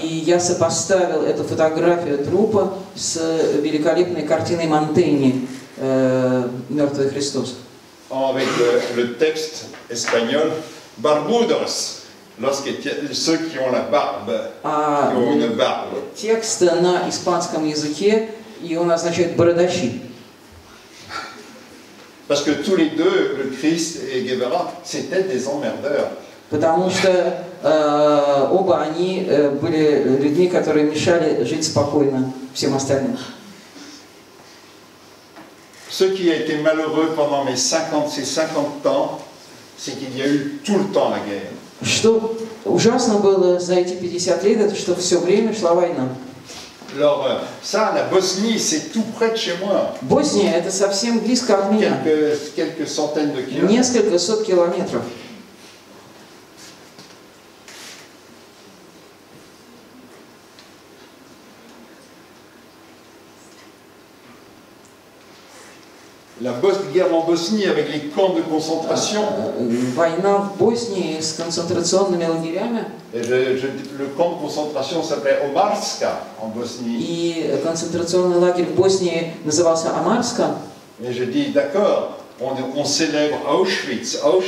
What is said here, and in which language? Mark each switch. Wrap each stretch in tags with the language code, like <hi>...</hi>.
<ru>И я сопоставил эту фотографию трупа с великолепной картиной Мантегни «Мертвый Христос».</ru> <fr>Avec le texte espagnol «Barbudos». Ceux qui ont la barbe, qui ont une barbe.</fr> <ru>Текст на испанском языке, и он означает бородачи.</ru> <fr>Parce que tous les deux, le Christ et Guevara, c'étaient des emmerdeurs.</fr> <ru>Потому что оба они были людьми, которые мешали жить спокойно всем остальным.</ru> <fr>Ce qui a été malheureux pendant mes 50, ces 50 ans, c'est qu'il y a eu tout le temps la guerre.</fr> <ru>Что ужасно было за эти 50 лет, это что все время шла война.</ru> <fr>Alors, ça, la Bosnie, c'est tout près de chez moi.</fr> <ru>Босния, это совсем близко от меня.</ru> <fr>Quelques centaines de kilomètres.</fr> <ru>Несколько сот километров.</ru> <fr>La guerre en Bosnie avec les camps de concentration.</fr> <ru>Война в Боснии с концентрационными лагерями.</ru> <fr>Le camp de concentration s'appelait Omarska en Bosnie.</fr> <ru>И концентрационный лагерь в Боснии назывался Амарска.</ru> <fr>Et je dis d'accord, on célèbre Auschwitz.</fr>